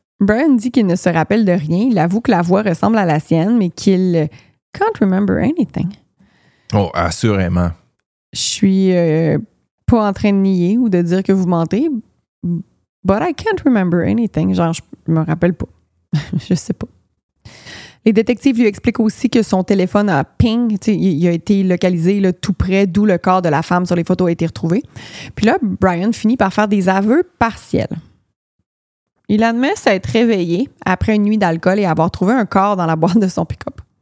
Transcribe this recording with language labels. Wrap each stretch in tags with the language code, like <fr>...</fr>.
<fr>Brian dit qu'il ne se rappelle de rien. Il avoue que la voix ressemble à la sienne, mais qu'il</fr> <en>can't remember anything.</en> <fr>Oh, assurément. Je suis pas en train de nier ou de dire que vous mentez.</fr> <en>But I can't remember anything.</en> <fr>Genre, je me rappelle pas. Je sais pas. Les détectives lui expliquent aussi que son téléphone a ping. Il a été localisé là, tout près d'où le corps de la femme sur les photos a été retrouvé. Puis là, Brian finit par faire des aveux partiels. Il admet s'être réveillé après une nuit d'alcool et avoir trouvé un corps dans la boîte de son pick-up.</fr>